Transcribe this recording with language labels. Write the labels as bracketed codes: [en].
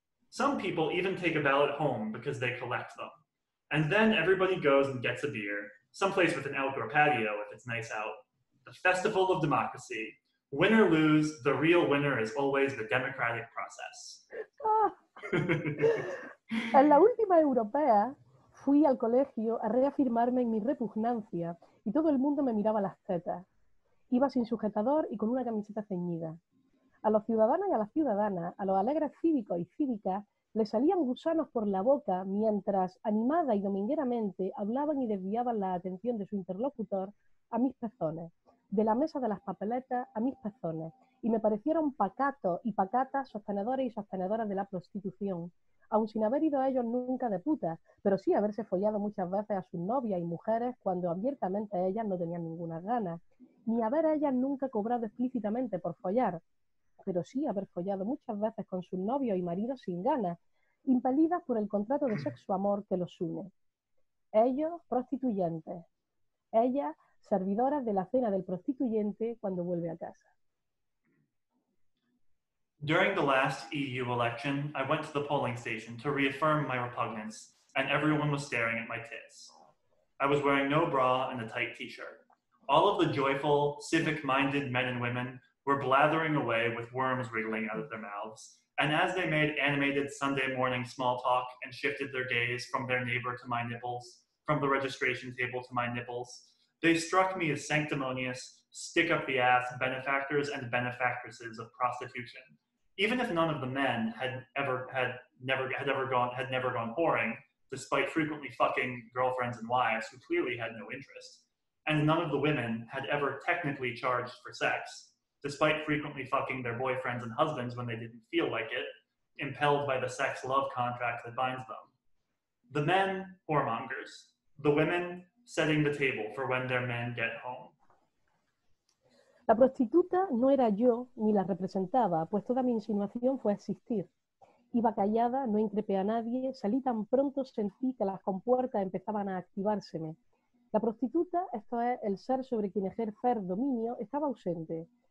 [en] Some people even take a ballot home because they collect them. And then everybody goes and gets a beer, someplace with an outdoor patio if it's nice out. The festival of democracy. Win or lose, the real winner is always the democratic process. [es] En la última europea, fui al colegio a reafirmarme en mi repugnancia y todo el mundo me miraba las tetas. Iba sin sujetador y con una camiseta ceñida. A los ciudadanos y a las ciudadanas, a los alegres cívicos y cívicas, les salían gusanos por la boca mientras, animada y domingueramente, hablaban y desviaban la atención de su interlocutor a mis pezones, de la mesa de las papeletas a mis pezones, y me parecieron pacatos y pacatas sostenedores y sostenedoras de la prostitución, aun sin haber ido a ellos nunca de puta, pero sí haberse follado muchas veces a sus novias y mujeres cuando abiertamente ellas no tenían ninguna gana, ni haber a ellas nunca cobrado explícitamente por follar, pero sí haber follado muchas veces con sus novios y maridos sin ganas, impelidas por el contrato de sexo amor que los une. Ellos, prostituyentes. Ellas, servidoras de la cena del prostituyente cuando vuelve a casa. [en] During the last EU election, I went to the polling station to reaffirm my repugnance, and everyone was staring at my tits. I was wearing no bra and a tight t-shirt. All of the joyful, civic-minded men and women were blathering away with worms wriggling out of their mouths. And as they made animated Sunday morning small talk and shifted their gaze from their neighbor to my nipples, from the registration table to my nipples, they struck me as sanctimonious, stick-up-the-ass benefactors and benefactresses of prostitution. Even if none of the men had never gone whoring, despite frequently fucking girlfriends and wives who clearly had no interest, and none of the women had ever technically charged for sex, despite frequently fucking their boyfriends and husbands when they didn't feel like it, impelled by the sex love contract that binds them. The men, whoremongers. The women, setting the table for when their men get home. [es] La prostituta no era yo ni la representaba, pues toda mi insinuación fue existir. Iba callada, no increpé a nadie, salí tan pronto, sentí que las compuertas empezaban a activárseme. La prostituta, esto es, el ser sobre quien ejercer dominio, estaba ausente.